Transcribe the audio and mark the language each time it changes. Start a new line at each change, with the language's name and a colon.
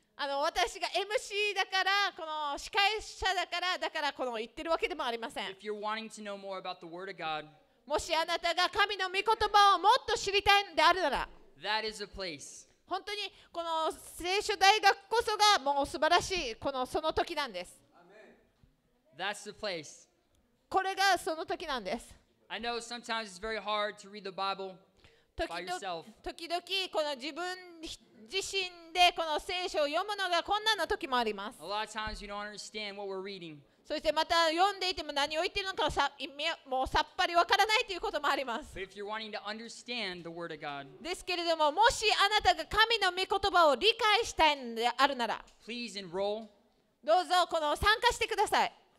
Japanese: 私が MC だからこの司会者だからだからこの言ってるわけでもありません。
English: If you're wanting to know more about the Word of God.
Japanese: もしあなたが神の御言葉をもっと知りたいのであるなら
English: That is a place.
Japanese: 本当にこの聖書大学こそがもう素晴らしいこのその時なんです。
English: That's the place.
Japanese: これがその時なんです。
English: I know sometimes it's very hard to read the Bible by yourself.
Japanese: 時々この自分自身でこの聖書を読むのが困難な時もあります。
English: A lot of times you don't understand what we're reading
Japanese: そしてまた読んでいても何を言っているのかもうさっぱりわからないということもあります。
English: But if you're wanting to understand the word of God,
Japanese: ですけれどももしあなたが神の御言葉を理解したいのであるなら
English: Please enroll.
Japanese: どうぞこの参加してください。